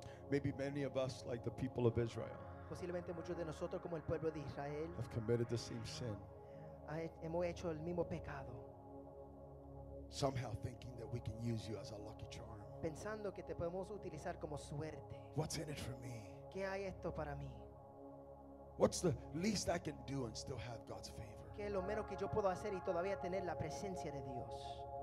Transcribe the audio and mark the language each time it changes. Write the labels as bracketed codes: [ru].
[en] Maybe many of us, like the people of Israel, [es] posiblemente muchos de nosotros, como el pueblo de Israel, [en] have committed the same sin. [es] Hemos hecho el mismo pecado. [en] Somehow thinking that we can use you as a lucky charm. [es] Pensando que te podemos utilizar como suerte. [en] What's in it for me? [es] ¿Qué hay esto para mí? [en] What's the least I can do and still have God's favor? [es] ¿Qué es lo menos que yo puedo hacer y todavía tener la presencia de Dios?